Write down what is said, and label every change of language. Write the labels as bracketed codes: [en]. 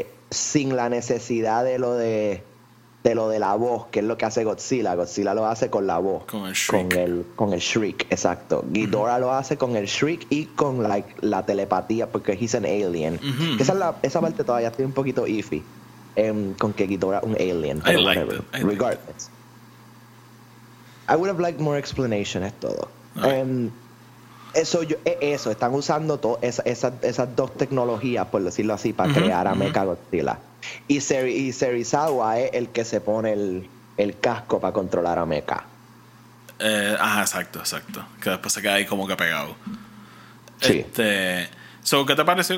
[es] Sin la necesidad de lo de la voz, que es lo que hace Godzilla. Godzilla lo hace con la voz. Con el shriek. Con el shriek, exacto. Ghidorah, uh-huh, lo hace con el shriek y con la telepatía, porque [en] he's an alien. Uh-huh. [es] Esa parte todavía estoy un poquito iffy. Con que Ghidorah un alien. [en] I liked it. Regardless. I would have liked more explanation, [es] es todo. Eso, están usando esas dos tecnologías, por decirlo así, para, uh-huh, crear a, uh-huh, Mecha Godzilla. Y Serizawa es el que se pone el casco para controlar a Mecha. Exacto. Que después se queda ahí como que pegado. Este, so, ¿qué te pareció?